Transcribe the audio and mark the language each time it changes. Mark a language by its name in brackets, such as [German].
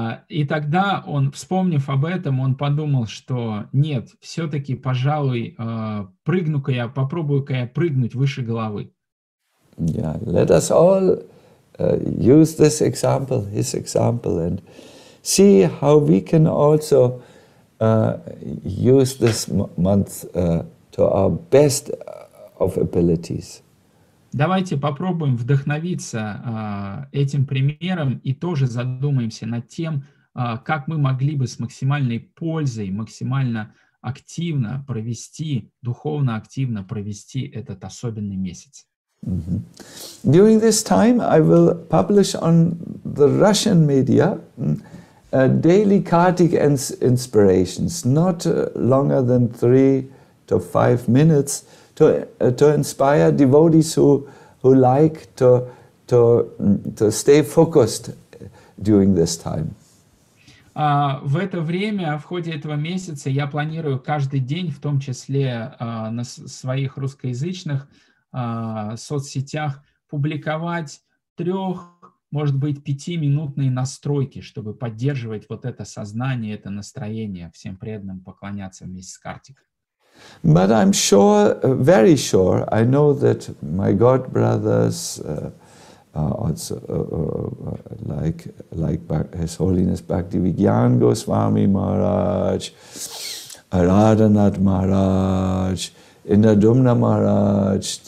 [Russian] И тогда он, вспомнив об этом, он подумал, что нет, все-таки, пожалуй, прыгну-ка я, попробую-ка я прыгнуть выше головы. [English] Yeah, let us all use this example, his example, and see how we can also use this month to our best of abilities. [Russian] Давайте попробуем вдохновиться этим примером и тоже задумаемся над тем, как мы могли бы с максимальной пользой, максимально активно провести, духовно активно провести этот особенный месяц. Mm-hmm. [English] During this time I will publish on the Russian media daily Kartik inspirations, not longer than 3 to 5 minutes, to inspire devotees who like to stay focused during this time. [Russian] В это время, в ходе этого месяца, я планирую каждый день, в том числе на своих русскоязычных соцсетях, публиковать 3, может быть, 5-минутные настройки, чтобы поддерживать вот это сознание, это настроение, всем преданным поклоняться вместе с Картиком. [English] But I'm sure, very sure, I know that my God brothers, also like His Holiness Bhaktivedyan Goswami Maharaj, Radhanath Maharaj, Indradumna Maharaj,